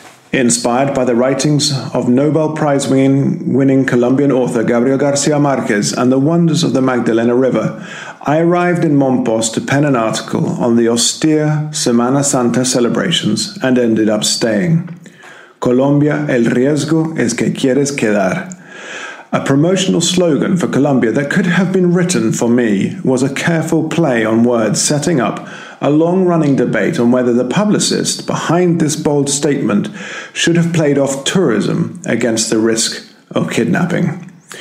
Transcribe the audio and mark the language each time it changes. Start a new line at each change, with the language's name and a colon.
English: Inspired by the writings of Nobel Prize-winning Colombian author Gabriel García Márquez and the wonders of the Magdalena River, I arrived in Mompós to pen an article on the austere Semana Santa celebrations and ended up staying.
Spanish: Colombia, el riesgo es que quieres quedar.
English: A promotional slogan for Colombia that could have been written for me was a careful play on words setting up a long-running debate on whether the publicist behind this bold statement should have played off tourism against the risk of kidnapping.